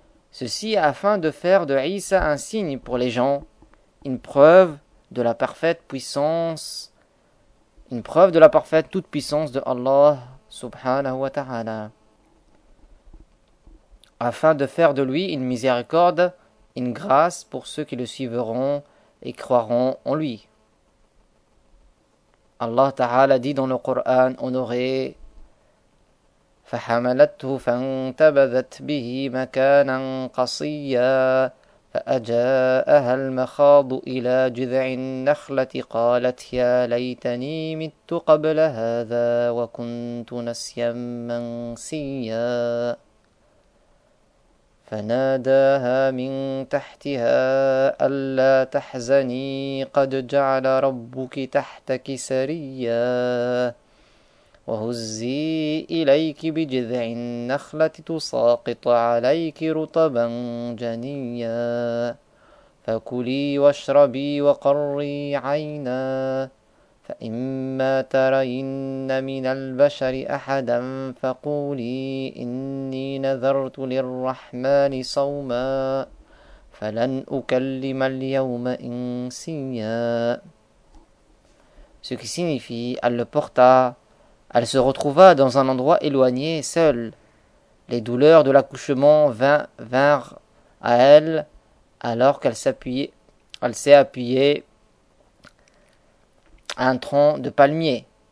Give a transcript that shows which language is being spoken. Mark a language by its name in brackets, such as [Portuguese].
[French] Ceci afin de faire de Isa un signe pour les gens, une preuve de la parfaite puissance, une preuve de la parfaite toute-puissance de Allah Subhanahu wa Ta'ala. Afin de faire de lui une miséricorde, une grâce pour ceux qui le suivront et croiront en lui. Allah Ta'ala dit dans le Coran honoré [Arabic] فَحَمَلَتْهُ فَانْتَبَذَتْ بِهِ مَكَانًا قَصِيًّا فَأَجَاءَهَا الْمَخَاضُ إِلَى جِذْعِ النَّخْلَةِ قَالَتْ يَا لَيْتَنِي مِتُّ قَبْلَ هَذَا وَكُنْتُ نَسْيًا مَنْسِيًّا فناداها من تحتها ألا تحزني قد جعل ربك تحتك سريا وهزي إليك بجذع النخلة تساقط عليك رطبا جنيا فكلي واشربي وقري عينا فإما ترين من البشر أحدا فقولي إني نذرت للرحمن صوما فلن أكلم اليوم إنسيا. [French] Ce qui signifie, elle le porta, elle se retrouva dans un endroit éloigné, seule. Les douleurs de l'accouchement vinrent à elle alors qu'elle s'appuyait, elle s'est appuyée un tronc de palmier.